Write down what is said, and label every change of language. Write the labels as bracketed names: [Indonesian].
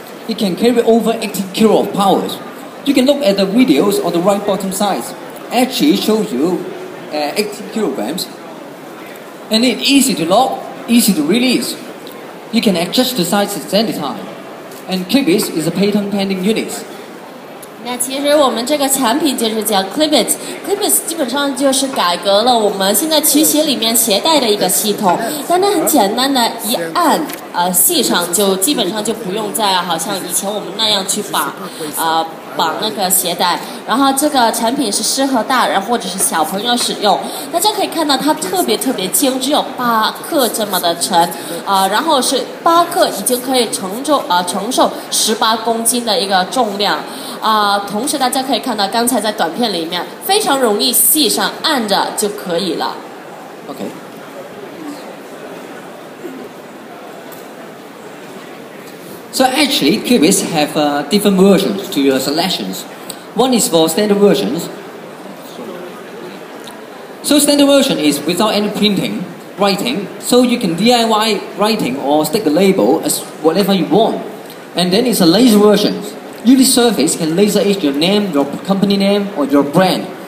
[English] It can carry over 80 kilo of power. You can look at the videos on the right bottom side. actually shows you 80 kilograms. And it's easy to lock, easy to release. You can adjust the size at any time. And Clipit is a patent pending unit. [Chinese] 那其实我们这个产品就是叫 Clipit， Clipit 基本上就是改革了我们现在取鞋里面携带的一个系统，但它很简单的一按系上，就基本上就不用再好像以前我们那样去绑那个鞋带。然后这个产品是适合大人或者是小朋友使用，大家可以看到它特别特别轻，只有八克这么的沉然后是八克已经可以承受18公斤的一个重量同时大家可以看到刚才在短片里面非常容易系上按着就可以了 [English] OK So actually Clipit have different versions to your selections One is for standard versions So standard version is without any printing writing So you can DIY writing or stick a label as whatever you want And then it's a laser versionUnit surface can laser etch your name, your company name, or your brand.